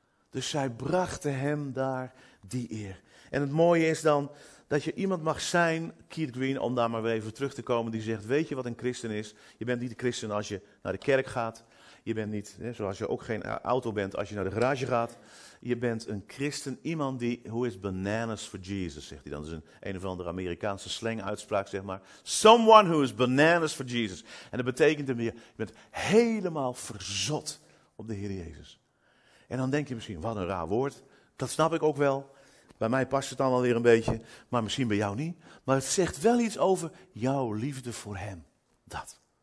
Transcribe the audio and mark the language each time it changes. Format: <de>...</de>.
<nl>Dus zij brachten hem daar die eer. En het mooie is dan dat je iemand mag zijn, Keith Green, om daar maar weer even terug te komen, die zegt, weet je wat een christen is? Je bent niet een christen als je naar de kerk gaat. Je bent niet, hè, zoals je ook geen auto bent als je naar de garage gaat. Je bent een christen, iemand die,</nl> <en>who is bananas for Jesus,</en> <nl>zegt hij dan. Dat is een of andere Amerikaanse slanguitspraak, zeg maar.</nl> <en>Someone who is bananas for Jesus.</en> <nl>En dat betekent hem weer, je bent helemaal verzot op de Heer Jezus. En dan denk je misschien, wat een raar woord. Dat snap ik ook wel. Bij mij past het dan wel weer een beetje, maar misschien bij jou niet. Maar het zegt wel iets over jouw liefde voor hem. Dat.</nl>